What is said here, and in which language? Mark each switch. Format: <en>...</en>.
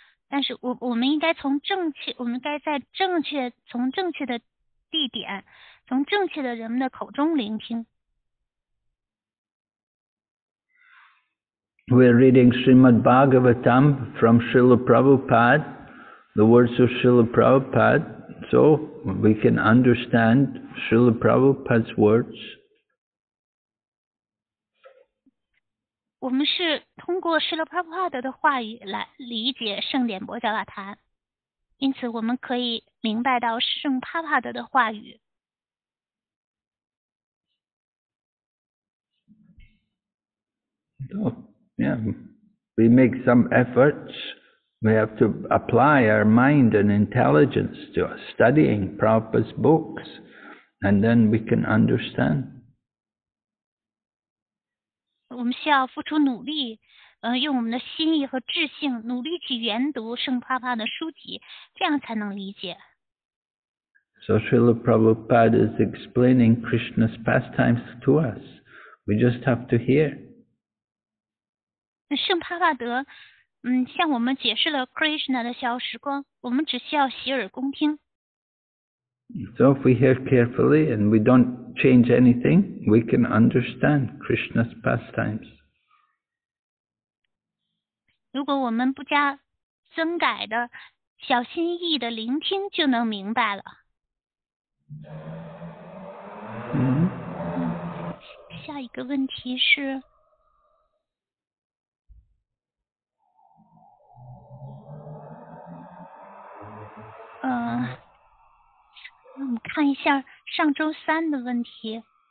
<zh>但是我们应该从正确，我们该在正确，从正确的地点，从正确的人们的口中聆听。</zh> <en>We're reading Srimad Bhagavatam from Srila Prabhupada, the words of Srila Prabhupada, so we can understand Srila Prabhupada's words.</en> <zh>我们是通过Srila Prabhupada的话语来理解圣典波迦瓦坛，因此我们可以明白到圣帕帕德的话语。</zh> <en>So, yeah, we make some efforts. We have to apply our mind and intelligence to studying Prabhupada's books, and then we can understand.</en> <zh>我们需要付出努力，用我们的心意和智性努力去研读圣帕帕的书籍，这样才能理解。</zh> <en>So Srila Prabhupada is explaining Krishna's pastimes to us. We just have to hear.</en> <zh>圣帕帕德，向我们解释了 Krishna 的消失光，我们只需要洗耳恭听。 So if we hear carefully and we don't change anything, we can understand Krishna's pastimes. 如果我们不加增改的小心翼翼的聆听就能明白了。下一个问题是，我们看一下上周三的问题。</zh>